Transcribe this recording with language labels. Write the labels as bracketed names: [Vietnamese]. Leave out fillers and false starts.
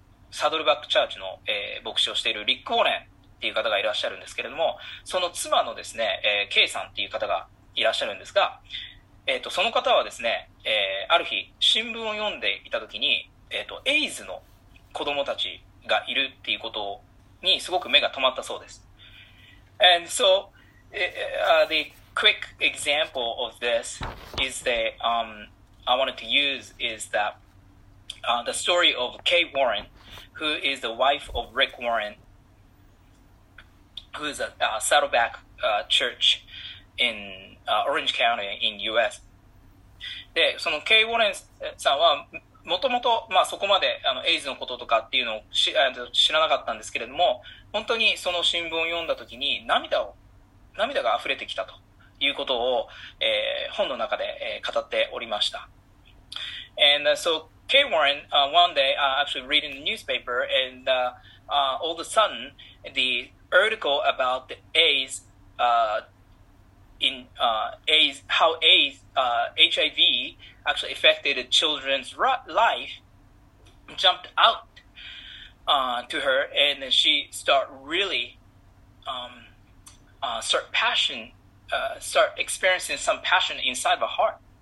[Japanese] サドルバックチャーチの、牧師をしているリック・ウォーレン、っていう方がいらっしゃるんですけれども、その妻のですね、K さんっていう方がいらっしゃるんですが、その方はですね、ある日新聞を読んでいた時に、エイズの子供たちがいるっていうことにすごく目が止まったそうです。 [English] And so, the quick example of this is the, I wanted to use is that, the story of Kay Warren, who is the wife of Rick Warren,who's a Saddleback church in Orange County in U.S. [Japanese] で、その K. ウォレンさんは、もともと、まあそこまで、エイズのこととかっていうのを知らなかったんですけれども、本当にその新聞を読んだときに涙が溢れてきたということを、本の中で、語っておりました。 [English] And so K. ウォレン、one day, actually reading the newspaper, and all of a sudden, thearticle about the AIDS AIDS how AIDS HIV actually affected a children's life jumped out to her, and then she start really start passion start experiencing some passion inside her heart.